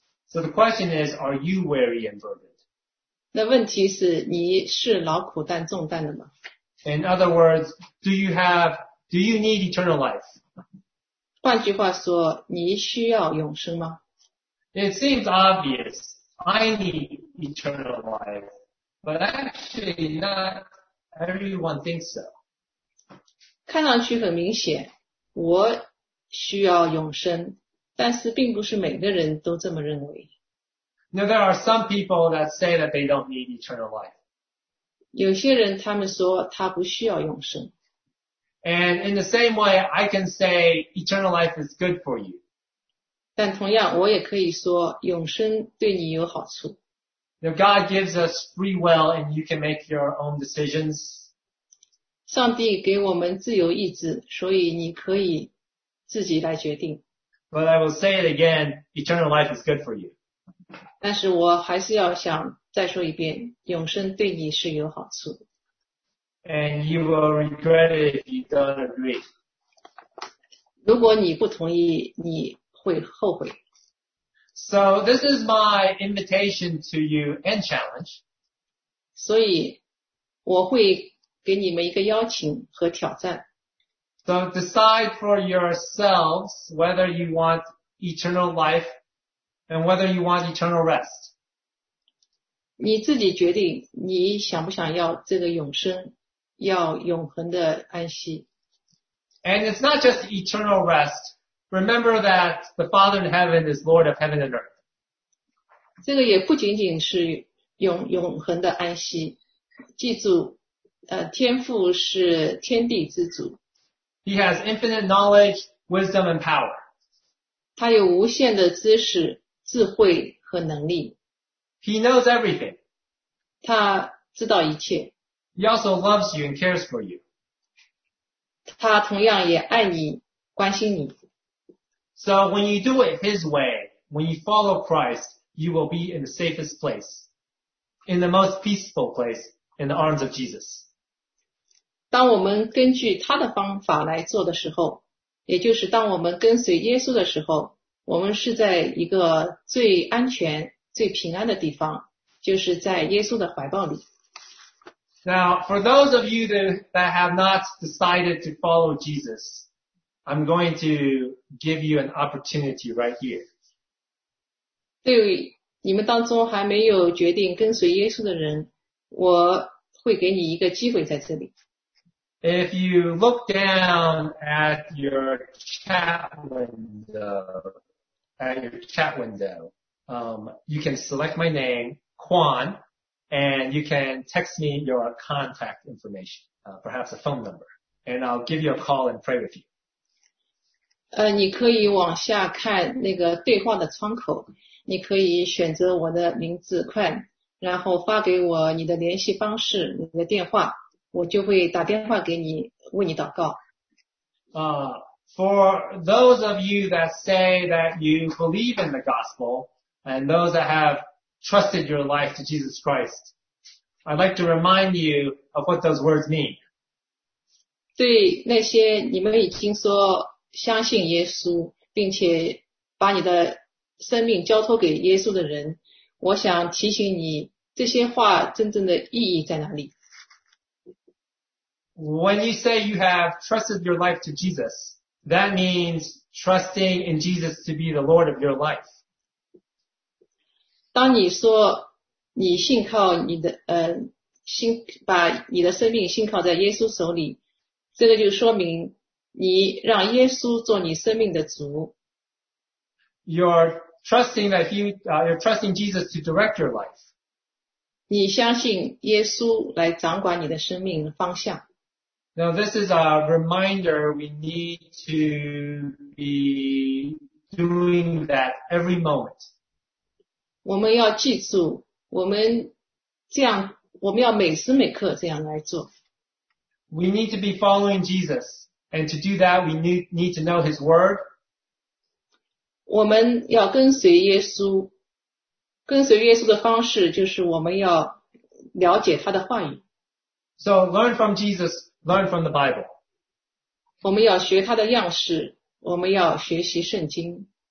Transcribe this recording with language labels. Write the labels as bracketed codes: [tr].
[en] So the question is, are you weary and burdened? [zh] 那问题是你是劳苦担重担的吗？ [en] In other words, do you need eternal life? [zh] 换句话说，你需要永生吗？ [en] It seems obvious, I need eternal life, but actually not everyone thinks so. [zh] 看上去很明显，我需要永生，但是并不是每个人都这么认为。 [en] Now there are some people that say that they don't need eternal life. [zh] 有些人他们说他不需要永生。 [en] And in the same way, I can say eternal life is good for you. [zh] 但同样我也可以说永生对你有好处。 [en] Now God gives us free will and you can make your own decisions. [zh] 上帝给我们自由意志，所以你可以自己来决定。 [en] But I will say it again, eternal life is good for you. [zh] 但是我还是要想再说一遍，永生对你是有好处。 [en] And you will regret it if you don't agree. [zh] 如果你不同意，你后悔。 [en] So this is my invitation to you and challenge. [zh] 所以我会给你们一个邀请和挑战。 [en] So decide for yourselves whether you want eternal life and whether you want eternal rest. [zh] 你自己决定你想不想要这个永生，要永恒的安息。 [en] And it's not just eternal rest. Remember that the Father in heaven is Lord of heaven and earth. [zh] 这个也不仅仅是永恒的安息，记住，天父是天地之主。 [en] He has infinite knowledge, wisdom, and power. [zh] 他有无限的知识、智慧和能力。 [en] He knows everything. [zh] 他知道一切。 [en] He also loves you and cares for you. [zh] 他同样也爱你，关心你。 [en] So when you do it his way, when you follow Christ, you will be in the safest place, in the most peaceful place, in the arms of Jesus. [zh] 当我们根据他的方法来做的时候，也就是当我们跟随耶稣的时候，我们是在一个最安全、最平安的地方，就是在耶稣的怀抱里。 [en] Now, for those of you that have not decided to follow Jesus, I'm going to give you an opportunity right here. [zh] 对你们当中还没有决定跟随耶稣的人，我会给你一个机会在这里。 [en] If you look down at your chat window, you can select my name, Quan, and you can text me your contact information, perhaps a phone number, and I'll give you a call and pray with you. [zh] 你可以往下看那个对话的窗口，你可以选择我的名字 Quan, 然后发给我你的联系方式，你的电话。我就会打电话给你，为你祷告。 [en] For those of you that say that you believe in the gospel, and those that have trusted your life to Jesus Christ, I'd like to remind you of what those words mean. [zh] 对那些你们已经说相信耶稣，并且把你的生命交托给耶稣的人，我想提醒你，这些话真正的意义在哪里。 [en] When you say you have trusted your life to Jesus, that means trusting in Jesus to be the Lord of your life. [zh] 当你说你信靠你的把你的生命信靠在耶稣手里，这个就说明你让耶稣做你生命的主。 [en] You're trusting Jesus to direct your life. [zh] 你相信耶稣来掌管你的生命方向。 [en] Now this is a reminder we need to be doing that every moment. [zh] 我们要记住，我们要每时每刻这样来做。 [en] We need to be following Jesus, and to do that we need to know His word. [zh] 我们要跟随耶稣，跟随耶稣的方式就是我们要了解他的话语。 [en] So learn from Jesus. Learn from the Bible. [zh] 我们要学他的样式，我们要学习圣经。